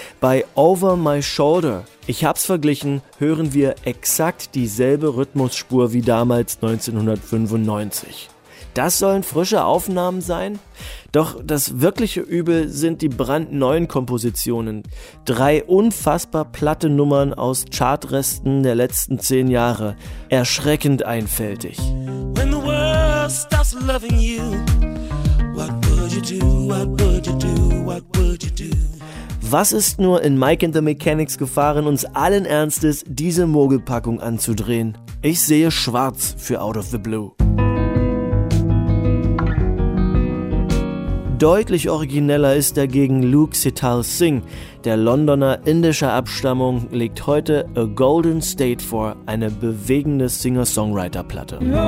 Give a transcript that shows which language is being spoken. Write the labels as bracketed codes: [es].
[de] Bei Over My Shoulder, ich hab's verglichen, hören wir exakt dieselbe Rhythmusspur wie damals 1995. Das sollen frische Aufnahmen sein? Doch das wirkliche Übel sind die brandneuen Kompositionen. Drei unfassbar platte Nummern aus Chartresten der letzten 10 Jahre. Erschreckend einfältig. [en] When the world stops loving you, what would you do, what would you do, what would you do? [de] Was ist nur in Mike and the Mechanics gefahren, uns allen Ernstes diese Mogelpackung anzudrehen? Ich sehe schwarz für Out of the Blue. Deutlich origineller ist dagegen Luke Sital Singh, der Londoner indischer Abstammung, legt heute A Golden State vor, eine bewegende Singer-Songwriter-Platte.